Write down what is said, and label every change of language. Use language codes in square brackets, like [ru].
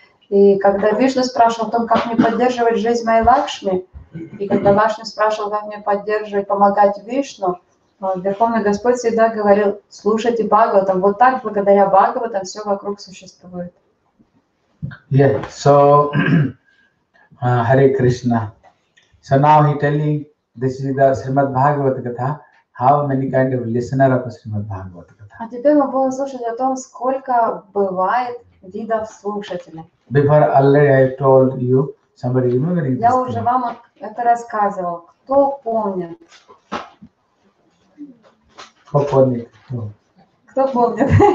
[ru] И когда Вишну спрашивал о том, как мне поддерживать жизнь моей Лакшми, и когда Лакшми спрашивал, как мне поддерживать, помогать Вишну, Верховный Господь всегда говорил, слушайте Бхагаватам, вот так, благодаря Бхагаватам, все вокруг существует. [en] Yes, yeah. So, Hare Krishna. So now he telling, this is the Srimad Bhagavata Gatha, how many kind of listener of Srimad Bhagavata Gatha. [ru] А теперь мы будем слушать о том, сколько бывает видов слушателей. [en] Before already I told you, somebody remembering [ru] this. Я уже вам это рассказывал. Кто помнит? Кто помнит? Кто помнит?